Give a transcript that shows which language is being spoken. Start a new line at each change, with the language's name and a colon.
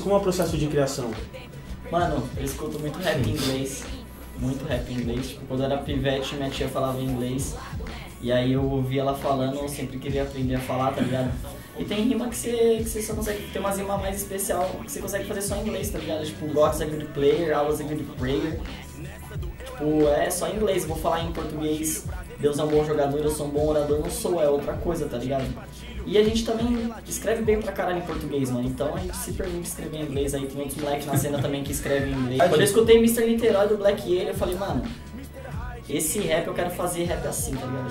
Portuguese: Como é o processo de criação? Mano, eu escuto muito rap em inglês. Muito rap em inglês. Tipo, quando eu era pivete, minha tia falava inglês. E aí eu ouvia ela falando, eu sempre queria aprender a falar, tá ligado? E tem rima que você só consegue ter umas rimas mais especial que você consegue fazer só em inglês, tá ligado?
English: Tipo, God is a good player, I was a good prayer.
Portuguese: Tipo, só em inglês. Vou falar em português. Deus é um bom jogador, eu sou um bom orador, não sou, é outra coisa, tá ligado? E a gente também escreve bem pra caralho em português, mano. Então a gente se permite escrever em inglês aí. Tem outros moleques na cena também que escrevem em inglês. Quando eu escutei Mr. Niterói do Black Yale, eu falei, mano, esse rap eu quero fazer rap assim, tá ligado?